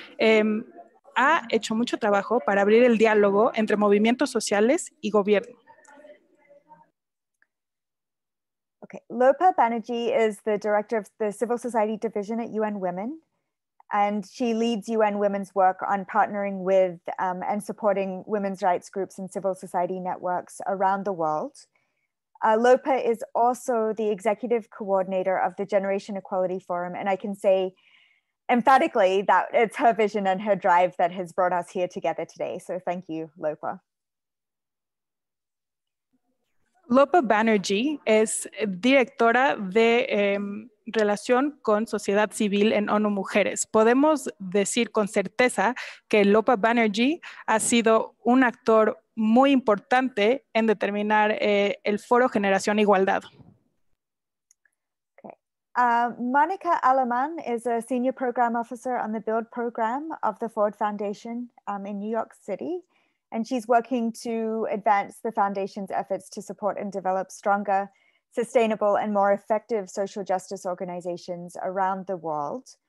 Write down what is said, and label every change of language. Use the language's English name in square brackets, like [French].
[Spanish] Ha hecho mucho trabajo para abrir el diálogo entre movimientos sociales y gobierno. [English] Okay, Lopa Banerjee is the director of the Civil Society Division at UN Women. And she leads UN Women's work on partnering with and supporting women's rights groups and civil society networks around the world. Lopa is also the executive coordinator of the Generation Equality Forum. And I can say emphatically that it's her vision and her drive that has brought us here together today. So thank you, Lopa. [Spanish] Lopa Banerjee es directora de relación con sociedad civil en ONU Mujeres. Podemos decir con certeza que Lopa Banerjee ha sido un actor muy importante en determinar el foro Generación Igualdad. [English] Okay. Monica Aleman is a senior program officer on the Build Program of the Ford Foundation in New York City. And she's working to advance the foundation's efforts to support and develop stronger, sustainable, and more effective social justice organizations around the world.